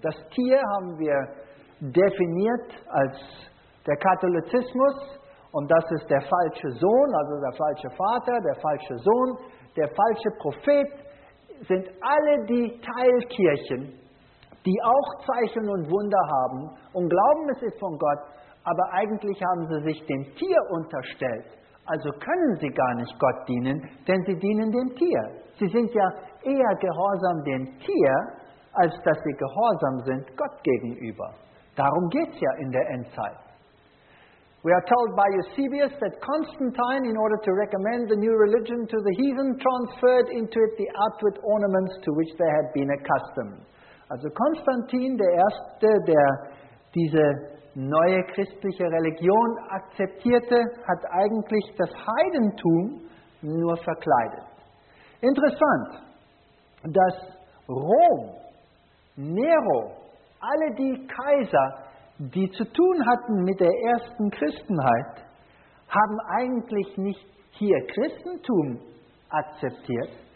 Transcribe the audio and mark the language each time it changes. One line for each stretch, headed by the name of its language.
German: Das Tier haben wir definiert als der Katholizismus und das ist der falsche Sohn, also der falsche Vater, der falsche Sohn, der falsche Prophet, sind alle die Teilkirchen, die auch Zeichen und Wunder haben und glauben, es ist von Gott, aber eigentlich haben sie sich dem Tier unterstellt. Also können sie gar nicht Gott dienen, denn sie dienen dem Tier. Sie sind ja eher gehorsam dem Tier, als dass sie gehorsam sind Gott gegenüber. Darum geht's ja in der Endzeit.
English: We are told by Eusebius that Constantine, in order to recommend the new religion to the heathen, transferred into it the outward ornaments to which they had been accustomed.
German: Also Konstantin, der Erste, der diese neue christliche Religion akzeptierte, hat eigentlich das Heidentum nur verkleidet. Interessant, dass Rom, Nero, alle die Kaiser, die zu tun hatten mit der ersten Christenheit, haben eigentlich nicht hier Christentum akzeptiert.